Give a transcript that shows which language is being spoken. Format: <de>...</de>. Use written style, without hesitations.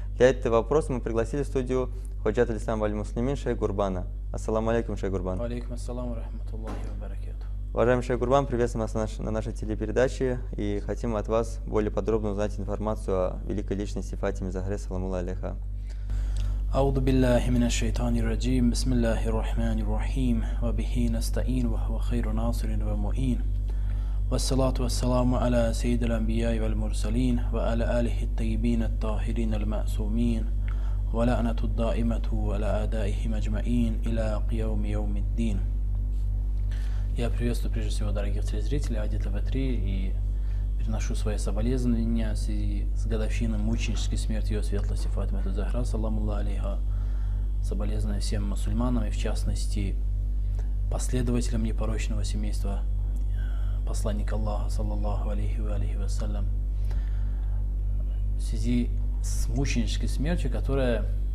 <ru>Для этого вопроса мы пригласили в студию Ходжат Алислам Валь Муслимин Шейх Гурбана. Ассаламу алейкум, Шейх Гурбан. Алейкум ассалам, рахматуллахи ва баракату. Уважаемый Шейх Гурбан, приветствуем вас на нашей телепередаче и хотим от вас более подробно узнать информацию о великой личности Фатиме Захре, саламулла алейха.</ru> <ar>أعوذ بالله من الشيطان الرجيم بسم الله الرحمن الرحيم وبه نستعين وهو خير ناصر ومعين والصلاة والسلام على سيد الأنبياء والمرسلين وعلى آله الطيبين الطاهرين المعصومين ولعنة الدائمة على أعدائهم أجمعين إلى قيام يوم الدين.</ar> <ru>Я приветствую прежде всего дорогих телезрителей Хади ТВ3 и приношу свои соболезнования в связи с годовщиной мученической смерти Ее Светлости Фатимы Заз-Захра, саламуллах алейха, соболезнования всем мусульманам и в частности последователям непорочного семейства посланника Аллаха, саллаллаху алейхи ва алейхи ва саллям, в связи с мученической смертью, которая</ru>